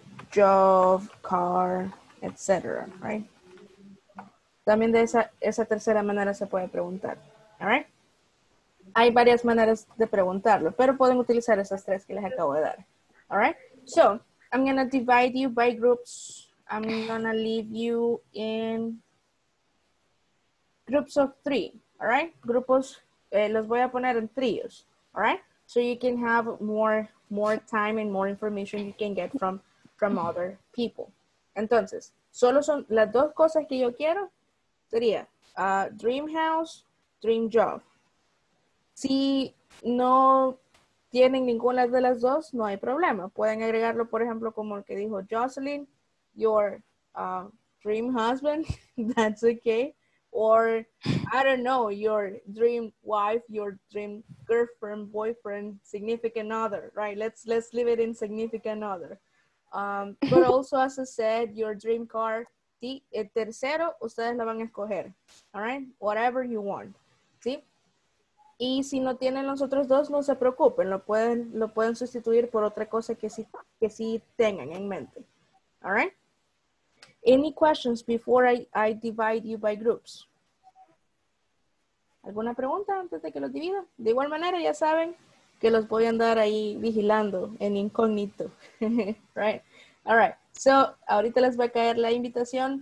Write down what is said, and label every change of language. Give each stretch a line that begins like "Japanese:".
English: Job, car, etc., right?
Spanish: También de esa tercera manera se puede preguntar,
English: all right?
Spanish: Hay varias maneras de preguntarlo, pero pueden utilizar esas tres que les acabo de dar,
English: all right? So, I'm going to divide you by groups. I'm going to leave you in groups of three, all right?
Spanish: Grupos, los voy a poner en tríos,
English: all right? So you can have more time and more information you can get from other people.
Spanish: Entonces, solo son las dos cosas que yo quiero, sería dream house, dream job. Si no tienen ninguna de las dos, no hay problema. Pueden agregarlo, por ejemplo, como el que dijo Jocelyn,
English: your dream husband, that's okay. Or, I don't know, your dream wife, your dream girlfriend, boyfriend, significant other, right? Let's leave it in significant other. But also, as I said, your dream car,
Spanish: ¿sí? El tercero, ustedes la van a escoger,
English: all right? Whatever you want,
Spanish: ¿sí? Y si no tienen los otros dos, no se preocupen, lo pueden sustituir por otra cosa que sí tengan en mente,
English: all right? Any questions before I divide you by groups?
Spanish: ¿Alguna pregunta antes de que los divida? De igual manera, ya saben que los voy a andar ahí vigilando en incógnito.
English: Right? All right.
Spanish: So, ahorita les va a caer la invitación.